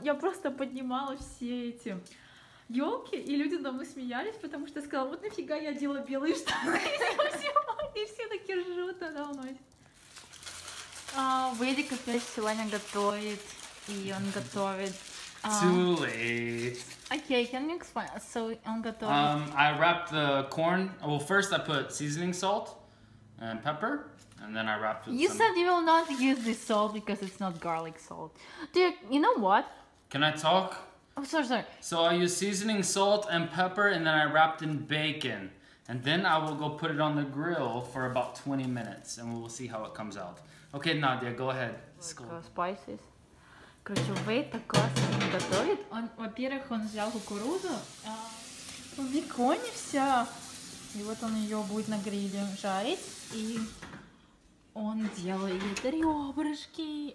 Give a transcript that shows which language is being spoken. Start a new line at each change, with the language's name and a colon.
Russian: Я просто поднимала все эти ёлки, и люди на мы смеялись, потому что я сказала, вот нафига я одела белые штаны, и все такие ржут, она у нас. Вэдик опять сегодня готовит, и он готовит...
English: Too late. Okay, can you explain?
Russian: So, он готовит...
English: I wrapped the corn... Well, first I put seasoning salt. And pepper, and then I wrapped it. You said you will not use this salt because it's not garlic salt. Dude, you know what? Can I talk? Oh, sorry. So I use seasoning salt and pepper, and then I wrapped in bacon. And then I will go put it on the grill for about 20 minutes, and we will see how it comes out. Okay, Nadia, go ahead. Spices.
Russian: Короче, Вейт так классно готовит. Он, во-первых, он взял кукурузу, в беконе вся. И вот он ее будет на гриле жарить, и он делает ребрышки.